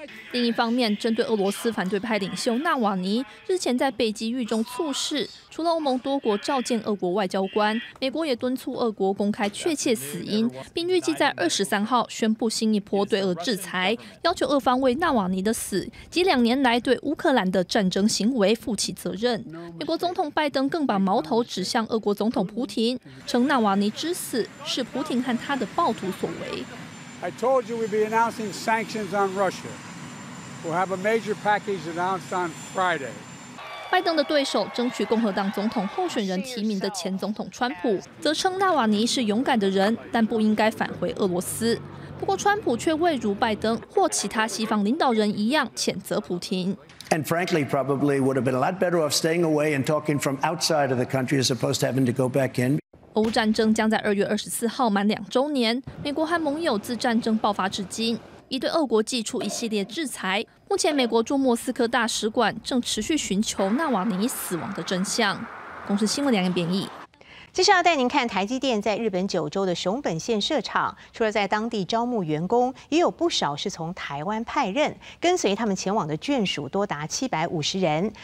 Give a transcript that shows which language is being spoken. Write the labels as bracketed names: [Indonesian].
[Chinese] 另一方面，针对俄罗斯反对派领袖纳瓦尼日前在北极狱中猝逝，除了欧盟多国召见俄国外交官，美国也敦促俄国公开确切死因，并预计在23号宣布新一波对俄制裁，要求俄方为纳瓦尼的死及两年来对乌克兰的战争行为负起责任。美国总统拜登更把矛头指向俄国总统普廷，称纳瓦尼之死是普廷和他的暴徒所为。 [English] I told you we'd be announcing sanctions on Russia. We'll have a major package announced on Friday. [Chinese] 拜登的对手，争取共和党总统候选人提名的前总统川普，则称纳瓦尼是勇敢的人，但不应该返回俄罗斯。不过，川普却未如拜登或其他西方领导人一样谴责普廷。 [English] And frankly, probably would have been a lot better off staying away and talking from outside of the country as opposed to having to go back in. [Chinese] 俄乌战争将在2月24号满2周年。美国和盟友自战争爆发至今，已对俄国祭出一系列制裁。目前，美国驻莫斯科大使馆正持续寻求纳瓦尼死亡的真相。公视新闻梁彦编译。接下来带您看台积电在日本九州的熊本县设厂，除了在当地招募员工，也有不少是从台湾派任，跟随他们前往的眷属多达750人。